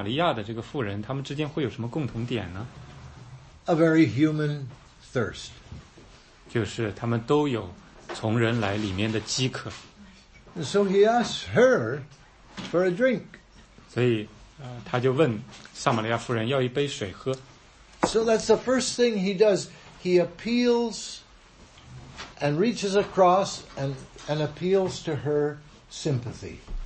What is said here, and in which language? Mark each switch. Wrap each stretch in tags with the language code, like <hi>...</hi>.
<zh>那这样的一个犹太人的拉比和一个撒玛利亚的这个妇人，他们之间会有什么共同点呢？</zh> <en>A very human thirst.</en> <zh>就是他们都有从人来里面的饥渴。</zh> <en>And so he asked her for a drink.</en> <zh>所以他就问撒玛利亚妇人要一杯水喝。</zh> <en>So that's the first thing he does. He appeals and reaches across and appeals to her sympathy.</en>